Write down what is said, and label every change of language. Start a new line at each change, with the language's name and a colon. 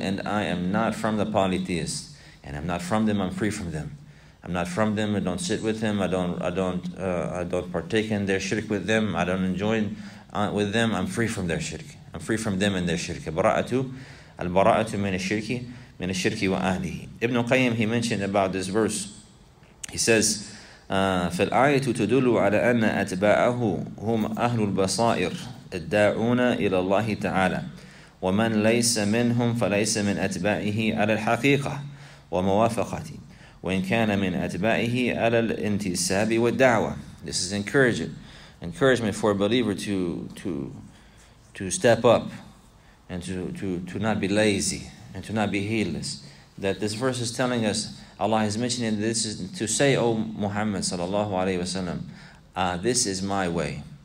English: And I am not from the polytheists. And I'm not from them. I'm free from them. I'm not from them. I don't sit with them. I don't partake in their shirk with them. I don't enjoy with them. I'm free from their shirk. I'm free from them and their shirk.
Arabic: Bara'atu, al-bara'atu min ash-shirki wa ahlihi.
English: Ibn Qayyim, he mentioned about this verse. He says,
Arabic: فَالْآيَةُ تَدُلُّ عَلَى أَنَّ أَتْبَاعَهُ هُمْ أَهْلُ الْبَصَائِرِ الدَّاعُونَ إِلَى اللَّهِ تَعَالَى. ومن ليس منهم فليس من أتباعه على الحقيقة وموافقتي وإن كان من أتباعه على الانتساب والدعوة.
English: This is encouragement for a believer to step up and to not be lazy and to not be heedless. That this verse is telling us, Allah is mentioning this is to say, O Muhammad sallallahu alayhi wasallam, this is my way.